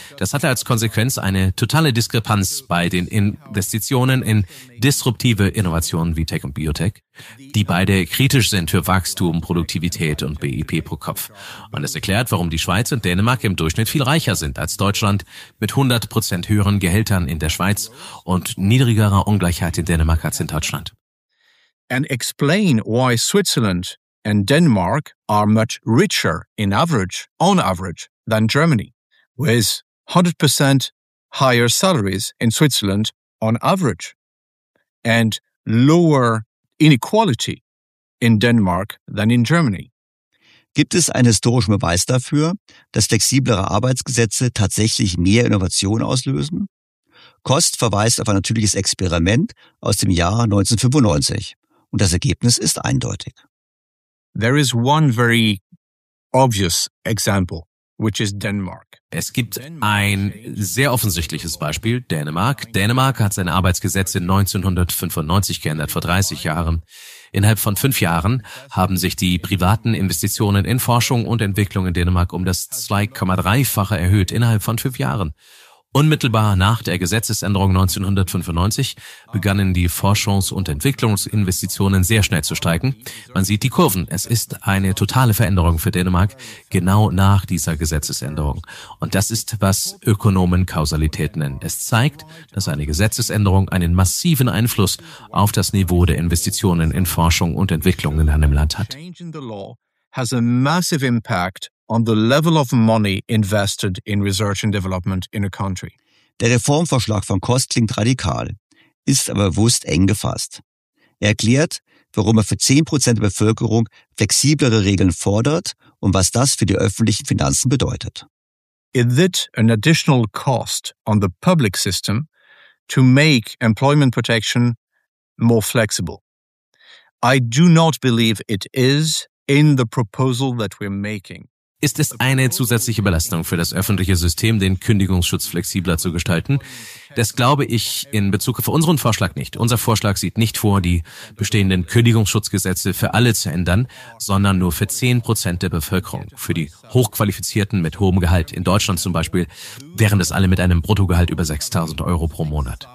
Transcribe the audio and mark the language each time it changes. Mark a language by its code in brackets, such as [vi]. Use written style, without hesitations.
[de] Das hatte als Konsequenz eine totale Diskrepanz bei den Investitionen in disruptive Innovationen wie Tech und Biotech, die beide kritisch sind für Wachstum, Produktivität und BIP pro Kopf. Und es erklärt, warum die Schweiz und Dänemark im Durchschnitt viel reicher sind als Deutschland, mit 100% höheren Gehältern in der Schweiz und niedrigerer Ungleichheit in Dänemark als in Deutschland. [en] And explain why Switzerland and Denmark are much richer in average, on average, than Germany, with 100% higher salaries in Switzerland on average and lower inequality in Denmark than in Germany. [de] Gibt es einen historischen Beweis dafür, dass flexiblere Arbeitsgesetze tatsächlich mehr Innovation auslösen? Kost verweist auf ein natürliches Experiment aus dem Jahr 1995 und das Ergebnis ist eindeutig. [en] There is one very obvious example, which is Denmark. [de] Es gibt ein sehr offensichtliches Beispiel, Dänemark. Dänemark hat seine Arbeitsgesetze 1995 geändert, vor 30 Jahren. Innerhalb von 5 Jahren haben sich die privaten Investitionen in Forschung und Entwicklung in Dänemark um das 2,3-fache erhöht, innerhalb von 5 Jahren. Unmittelbar nach der Gesetzesänderung 1995 begannen die Forschungs- und Entwicklungsinvestitionen sehr schnell zu steigen. Man sieht die Kurven. Es ist eine totale Veränderung für Dänemark, genau nach dieser Gesetzesänderung. Und das ist, was Ökonomen Kausalität nennen. Es zeigt, dass eine Gesetzesänderung einen massiven Einfluss auf das Niveau der Investitionen in Forschung und Entwicklung in einem Land hat. Change in the law has a massive impact on the level of money invested in research and development in a country. Der Reformvorschlag von Kost klingt radikal, ist aber bewusst eng gefasst. Er erklärt, warum er für 10% der Bevölkerung flexiblere Regeln fordert und was das für die öffentlichen Finanzen bedeutet. [en] Is it an additional cost on the public system to make employment protection more flexible? I do not believe it is in the proposal that we're making. [de] Ist es eine zusätzliche Belastung für das öffentliche System, den Kündigungsschutz flexibler zu gestalten? Das glaube ich in Bezug auf unseren Vorschlag nicht. Unser Vorschlag sieht nicht vor, die bestehenden Kündigungsschutzgesetze für alle zu ändern, sondern nur für 10% der Bevölkerung, für die Hochqualifizierten mit hohem Gehalt, in Deutschland zum Beispiel, wären das alle mit einem Bruttogehalt über 6.000 Euro pro Monat.